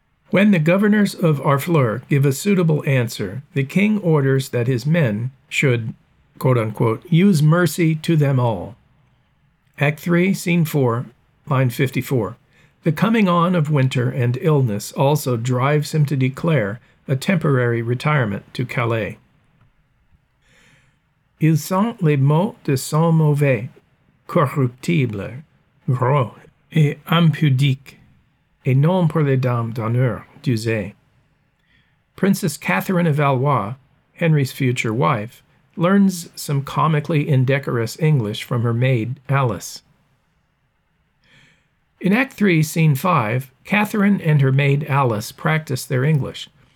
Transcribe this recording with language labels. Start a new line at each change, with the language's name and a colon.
English: When the governors of Harfleur give a suitable answer, the king orders that his men should, quote-unquote, use mercy to them all. Act 3, Scene 4, line 54. The coming on of winter and illness also drives him to declare a temporary retirement to Calais.
French: Ils sont les mots de son mauvais, corruptibles, gros et impudiques, et non pour les dames d'honneur d'usée.
English: Princess Catherine of Valois, Henry's future wife, learns some comically indecorous English from her maid, Alice. In Act 3, Scene 5, Catherine and her maid, Alice, practice their English.